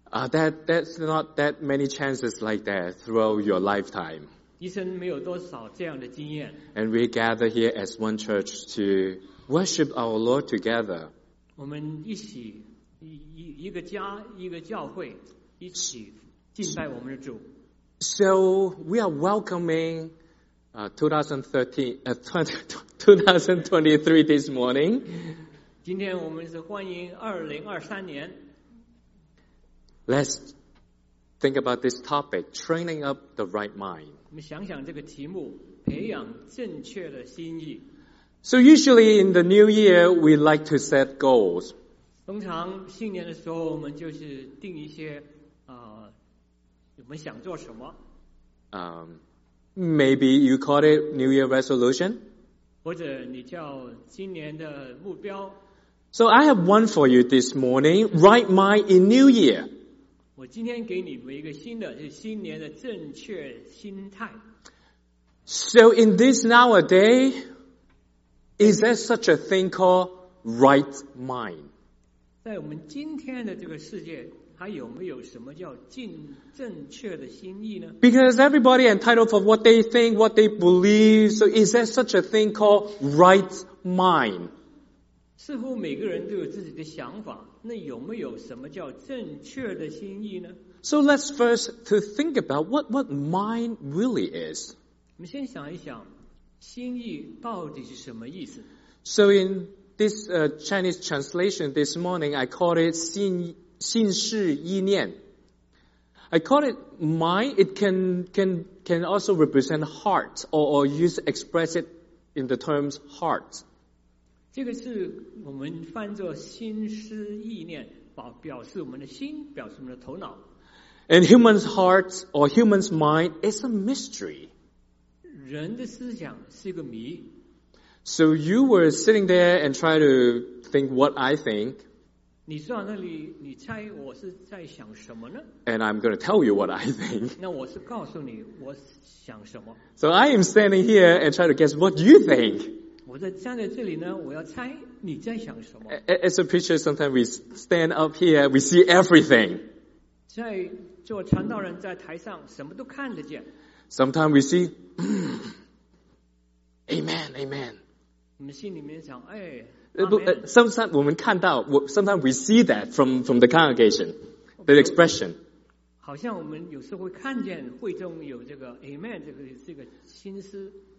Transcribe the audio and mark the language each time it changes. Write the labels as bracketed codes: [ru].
[en] That's not that many chances like that throughout your lifetime. And we gather here as one church to worship our Lord together. [zh] 我们一起一个家一个教会一起敬拜我们的主。 [en] So we are welcoming 2023 this morning. [zh] 今天我们是欢迎2023年。 [en] Let's think about this topic, training up the right mind. [zh] 我们想想这个题目，培养正确的心意。 [en] So usually in the new year, we like to set goals. [zh] 通常新年的时候，我们就是定一些，我们想做什么。 [en] Maybe you call it New Year resolution. [zh] 或者你叫今年的目标。 [en] So I have one for you this morning, right mind in New Year. [zh] 我今天给你们一个新的，就是新年的正确心态。 [en] So in this nowadays, is there such a thing called right mind? [zh] 在我们今天的这个世界，还有没有什么叫正确的心意呢？ [en] Because everybody entitled for what they think, what they believe. So is there such a thing called right mind? [zh] 似乎每个人都有自己的想法。那有没有什么叫正确的心意呢？ [en] So let's first to think about what mind really is. [zh] 我们先想一想，心意到底是什么意思？ [en] So in this Chinese translation this morning, I call it [zh] 心事意念。 [en] I call it mind. It can also represent heart or use express it in the terms heart. [zh] 这个是我们翻作心思意念，表示我们的心，表示我们的头脑。 [en] And human's heart or human's mind is a mystery. [zh] 人的思想是一个谜。 [en] So you were sitting there and try to think what I think. [zh] 你坐在那里，你猜我是在想什么呢？ [en] And I'm going to tell you what I think. [zh] 那我是告诉你我想什么。 [en] So I am standing here and try to guess what you think. [zh] 我在站在这里呢，我要猜你在想什么。 [en] As a preacher, sometimes we stand up here, we see everything. [zh] 在做传道人在台上，什么都看得见。 [en] Sometimes we see, Amen, Amen. [zh] 我们心里面想，哎。 [en] Sometimes we see that from the congregation, the expression. [zh] 好像我们有时候会看见会中有这个 Amen 这个心思。